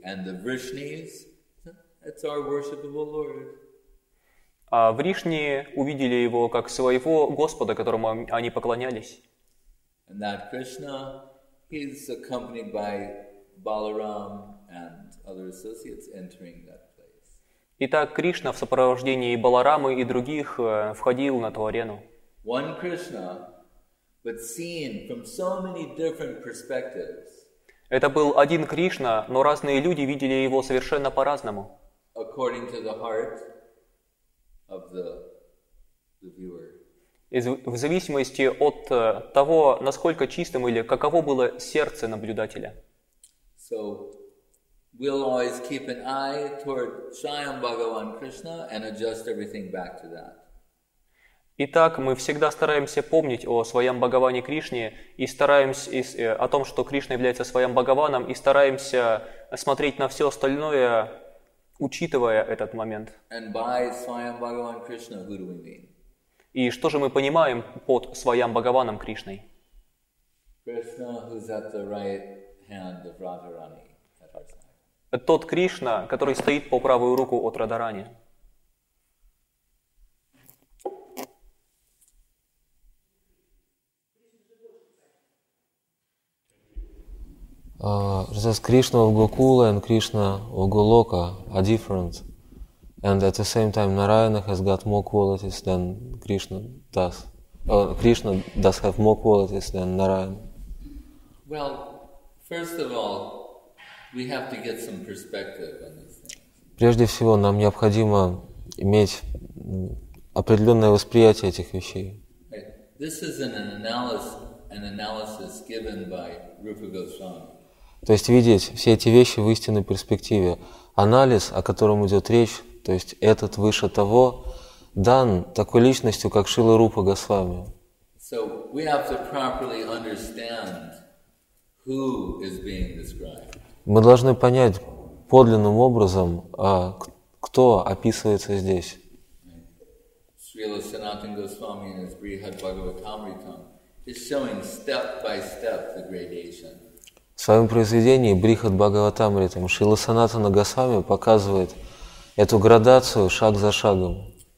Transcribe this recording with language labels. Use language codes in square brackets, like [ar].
[en] And the Vrishnis, that's our worshipable Lord. [ru] А Вришни увидели его как своего Господа, которому они поклонялись. [en] And that Krishna, he's accompanied by Balaram and other associates entering that place. [ru] Итак, Кришна в сопровождении Баларамы и других входил на ту арену. [en] One Krishna, but seen from so many different perspectives. [ru] Это был один Кришна, но разные люди видели его совершенно по-разному. [en] According to the heart of the viewer. [ru] В зависимости от того, насколько чистым или каково было сердце наблюдателя. [en] So, we'll always keep an eye toward Swayam Bhagavan Krishna and adjust everything back to that. [ru] Итак, мы всегда стараемся помнить о своем Бхагаване Кришне и стараемся о том, что Кришна является своим Бхагаваном, и стараемся смотреть на все остальное, учитывая этот момент. [en] And by Swayam Bhagavan Krishna, who do we mean? [ru] И что же мы понимаем под своим Бхагаваном Кришной? [en] Krishna, who's at the right hand of Radharani. [ru] Тот Кришна, который стоит по правую руку от Радарани. [en] There's Krishna of Gokula and Krishna of Goloka are different, and at the same time Narayana has got more qualities than Krishna does. Krishna does have more qualities than Narayana. Well, first of all, we have to get some perspective on this thing. [ru] Прежде всего, нам необходимо иметь определенное восприятие этих вещей. [en] This is an analysis given by Rupa Goswami. [ru] То есть видеть все эти вещи в истинной перспективе. Анализ, о котором идет речь, то есть этот выше того, дан такой личностью, как Шрила Рупа Госвами. [en] So we have to properly understand who is being described. [ru] Мы должны понять подлинным образом, кто описывается здесь. [en] Шрила Санатан Госвами in his Brihad Bhagavatamritam is showing step by step the gradation. [ru] В своем произведении Брихад Бхагаватамритам Шрила Санатана Госвами показывает эту градацию шаг за шагом.